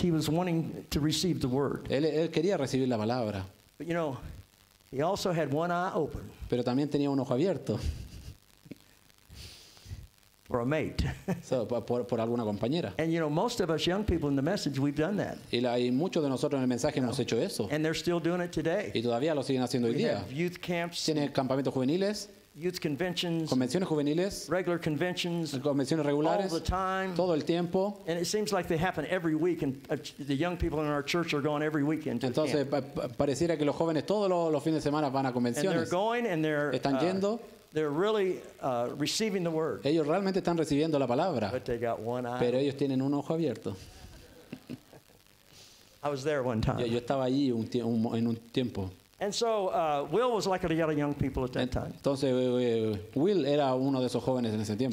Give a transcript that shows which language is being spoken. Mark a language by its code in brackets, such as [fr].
[en] He was wanting to receive the word. [es] Él quería recibir la palabra. [en] But you know, he also had one eye open. [es] Pero también tenía un ojo abierto. [en] Or a mate. [es] So, por alguna compañera. [en] And you know, most of us young people in the message, we've done that. [es] Y muchos de nosotros en el mensaje hemos hecho eso. [en] And they're still doing it today. [es] Y todavía lo siguen haciendo hoy día. [en] We have youth camps. [es] Tienen campamentos juveniles. [en] Youth conventions. [es] Convenciones juveniles. [en] Regular conventions. [es] Convenciones regulares. [en] All the time. [es] Todo el tiempo. [en] And it seems like they happen every week, and the young people in our church are going every weekend. [es] Entonces pareciera que los jóvenes todos los fines de semana van a convenciones. [en] And they're going, and they're. [es] Están yendo. [en] They're really receiving the word. [es] Ellos realmente están recibiendo la palabra. [en] But they got one eye. [es] Pero ellos tienen un ojo abierto. [en] I was there one time. [es] Yo estaba allí en un tiempo. [en] And so Will was like a lot of young people at that time. [es] Entonces Will era uno de esos jóvenes en ese tiempo.